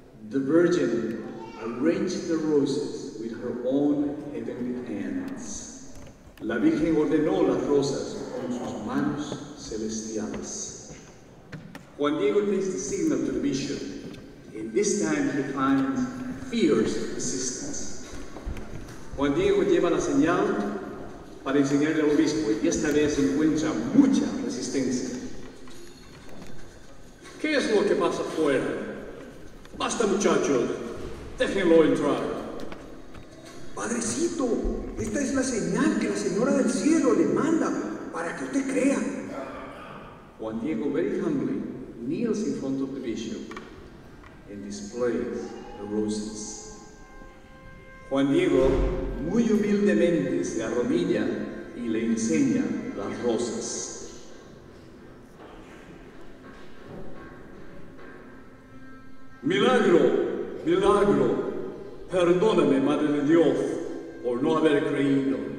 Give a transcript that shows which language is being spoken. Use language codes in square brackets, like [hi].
[en] The Virgin arranged the roses with her own heavenly hands. [es] La Virgen ordenó las rosas con sus manos celestiales. [en] Juan Diego takes the signal to the bishop, and this time he finds fierce resistance. [es] Juan Diego lleva la señal para enseñarle al obispo, y esta vez encuentra mucha resistencia. ¿Qué es lo que pasa afuera? Basta, muchachos. Déjenlo entrar. Padrecito, esta es la señal que la Señora del Cielo le manda para que usted crea. [en] Juan Diego, very humbly, kneels in front of the bishop and displays the roses. [es] Juan Diego, muy humildemente, se arrodilla y le enseña las rosas. ¡Milagro! ¡Milagro! Perdóname, Madre de Dios, por no haber creído.